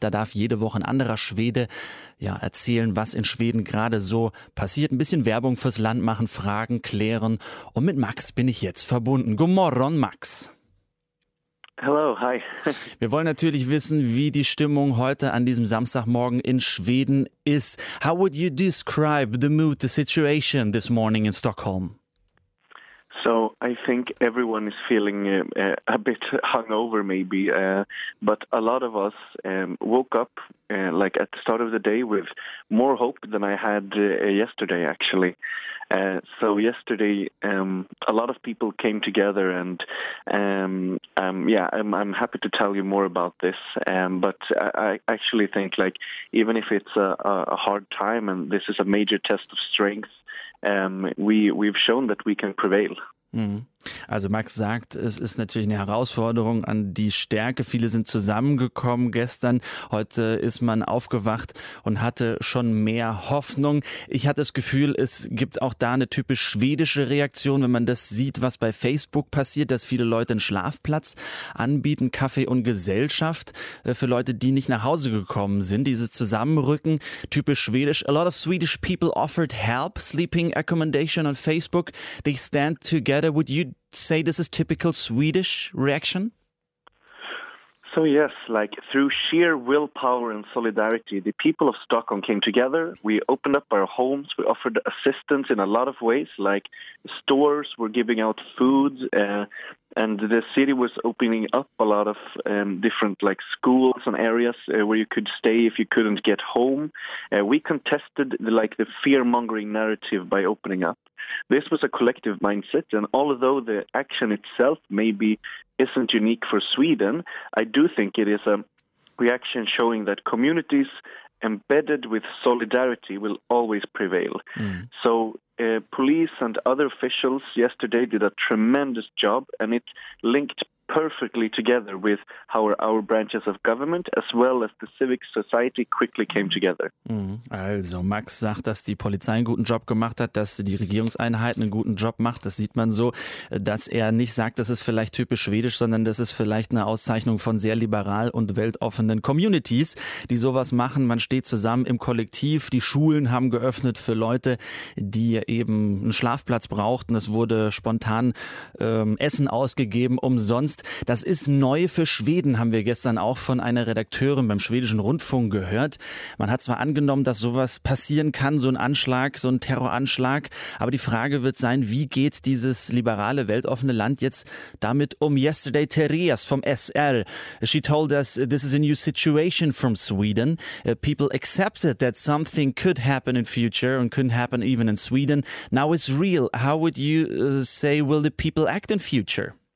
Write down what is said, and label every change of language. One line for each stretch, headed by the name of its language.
German: Da darf jede Woche ein anderer Schwede erzählen, was in Schweden gerade so passiert. Ein bisschen Werbung fürs Land machen, Fragen klären. Und mit Max bin ich jetzt verbunden.
Swedish: God morgon, Max.
English: Hello, hi.
German: Wir wollen natürlich wissen, wie die Stimmung heute an diesem Samstagmorgen in Schweden ist.
English: How would you describe the mood, the situation this morning in Stockholm? So I think everyone is feeling a bit hungover maybe, but a lot of us woke up like at the start of the day with more hope than I had yesterday actually. So yesterday a lot of people came together and I'm happy to tell you more about this, but I actually think like even if it's a hard time and this is a major test of strength, we've shown that we can prevail.
German: Also Max sagt, es ist natürlich eine Herausforderung an die Stärke. Viele sind zusammengekommen gestern. Heute ist man aufgewacht und hatte schon mehr Hoffnung. Ich hatte das Gefühl, es gibt auch da eine typisch schwedische Reaktion, wenn man das sieht, was bei Facebook passiert, dass viele Leute einen Schlafplatz anbieten, Kaffee und Gesellschaft für Leute, die nicht nach Hause gekommen sind. Dieses Zusammenrücken, typisch schwedisch.
English: A lot of Swedish people offered help, sleeping accommodation on Facebook. They stand together. Would you say this is typical Swedish reaction? So yes, like through sheer willpower and solidarity, the people of Stockholm came together. We opened up our homes. We offered assistance in a lot of ways, like stores were giving out food, and the city was opening up a lot of different like schools and areas where you could stay if you couldn't get home. We contested the fear-mongering narrative by opening up. This was a collective mindset, and although the action itself maybe isn't unique for Sweden, I do think it is a reaction showing that communities embedded with solidarity will always prevail. So police and other officials yesterday did a tremendous job, and it linked perfectly together with how our branches of government as well as the civic society quickly came together.
German: Also Max sagt, dass die Polizei einen guten Job gemacht hat, dass die Regierungseinheiten einen guten Job macht. Das sieht man so, dass er nicht sagt, das ist vielleicht typisch schwedisch, sondern das ist vielleicht eine Auszeichnung von sehr liberal und weltoffenen Communities, die sowas machen. Man steht zusammen im Kollektiv. Die Schulen haben geöffnet für Leute, die eben einen Schlafplatz brauchten. Es wurde spontan Essen ausgegeben umsonst. Das ist neu für Schweden, haben wir gestern auch von einer Redakteurin beim schwedischen Rundfunk gehört. Man hat zwar angenommen, dass sowas passieren kann, so ein Anschlag, so ein Terroranschlag, aber die Frage wird sein, wie geht dieses liberale, weltoffene Land jetzt damit um?
English: Yesterday, Therese
German: vom
English: SR, she told us, this is a new situation from Sweden. People accepted that something could happen in future and couldn't happen even in Sweden. Now it's real. How would you say, will the people act in future?